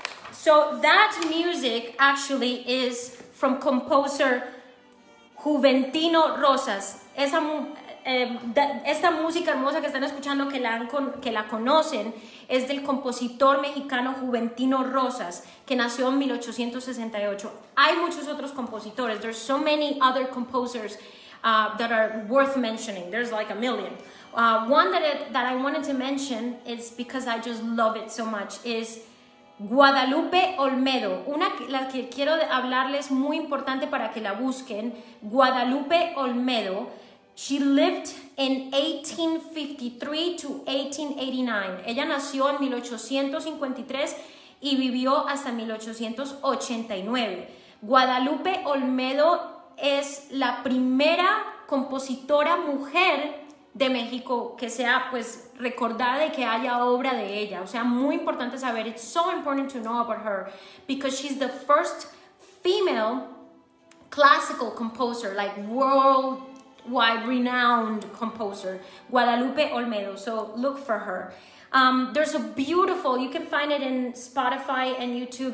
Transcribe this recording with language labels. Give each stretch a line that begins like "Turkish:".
English: So that music actually is from composer Juventino Rosas.
Spanish: Esta música hermosa que están escuchando, que la conocen, es del compositor mexicano Juventino Rosas, que nació en 1868. Hay muchos otros compositores.
English: There's so many other composers that are worth mentioning. There's like a million. One that I wanted to mention is because I just love it so much is Guadalupe Olmedo,
Spanish: una la que quiero hablarles muy importante para que la busquen.
English: Guadalupe Olmedo, she lived in 1853 to 1889.
Spanish: Ella nació en 1853 y vivió hasta 1889. Guadalupe Olmedo es la primera compositora mujer de México que sea pues recordada y que haya obra de ella. O sea, muy importante saber.
English: It's so important to know about her because she's the first female classical composer, like worldwide renowned composer, Guadalupe Olmedo. So look for her. There's a beautiful, you can find it in Spotify and YouTube.